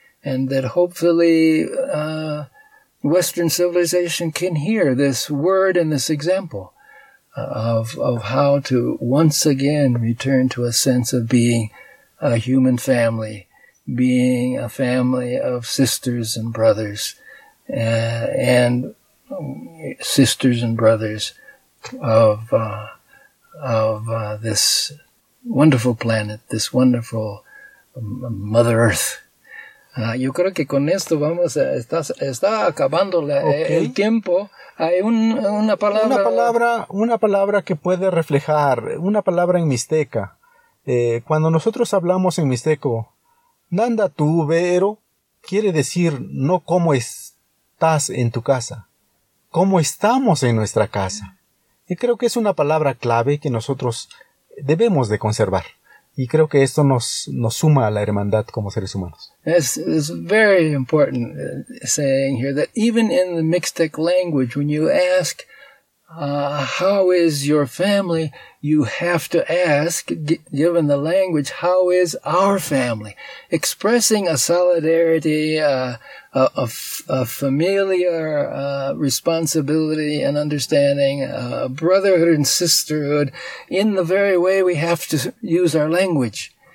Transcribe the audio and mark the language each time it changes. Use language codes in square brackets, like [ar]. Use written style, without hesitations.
[en] And that hopefully Western civilization can hear this word and this example of how to once again return to a sense of being a human family, being a family of sisters and brothers, and sisters and brothers of this wonderful planet, this wonderful Mother Earth. [es] Yo creo que con esto vamos a, está acabando la, okay. El tiempo. Hay una palabra. Una palabra que puede reflejar, una palabra en mixteca. Cuando nosotros hablamos en mixteco, Nanda tu vero, quiere decir no cómo estás en tu casa, cómo estamos en nuestra casa. Y creo que es una palabra clave que nosotros debemos de conservar. Y creo que esto nos suma a la hermandad como seres humanos. [en] It's very important saying here that even in the Mixtec language, when you ask, how is your family, you have to ask, given the language, how is our family? Expressing a solidarity, a familiar responsibility and understanding, brotherhood and sisterhood in the very way we have to use our language.